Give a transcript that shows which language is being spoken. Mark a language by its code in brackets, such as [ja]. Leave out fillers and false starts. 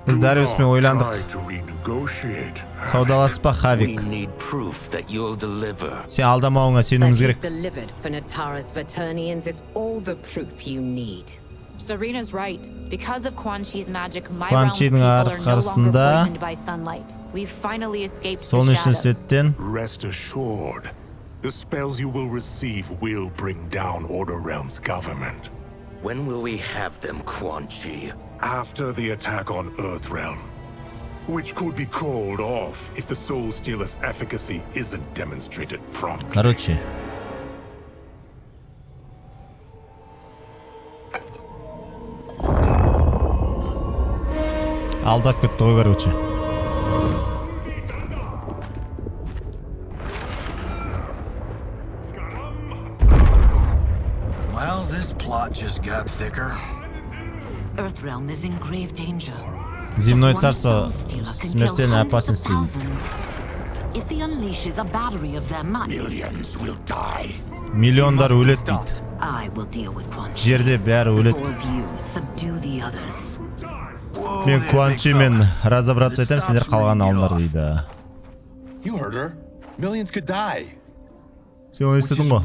[kk] Біз Дариуспен ойландық. [en] Try to renegotiate. [kk] Саудаласпа, Хавик. [en] We need proof that you'll deliver. [kk] Сен алдамауыңа сенуіміз керек. [en] That he's delivered for Nitara's Vaternians is all the proof you need. Serena's right. Because of Quan Chi's magic, my realm is no longer poisoned by sunlight. We've finally escaped the shadows. Rest assured, the spells you will receive will bring down Order Realm's government. When will we have them, Quan Chi? After the attack on Earthrealm, which could be called off if the Soul Stealer's efficacy isn't demonstrated promptly. [kk] Короче. Алдап кетті ғой, короче. [en] Well, this plot just got thicker. Earthrealm is in grave danger. [ru] Земное царство смертельной опасности. [en] If he unleashes a battery of their might, millions will die. [kk] Миллиондар өледі дейді. [en] I will deal with Quan Chi. [kk] Жерде бәрі өледі. [en] Before you subdue the others. [kk] Мен Quan Chi мен разобраться айтам, сендер қалған алыңдар дейді. [en] You heard her. Millions could die. [kk] Сен оны естідің ғой?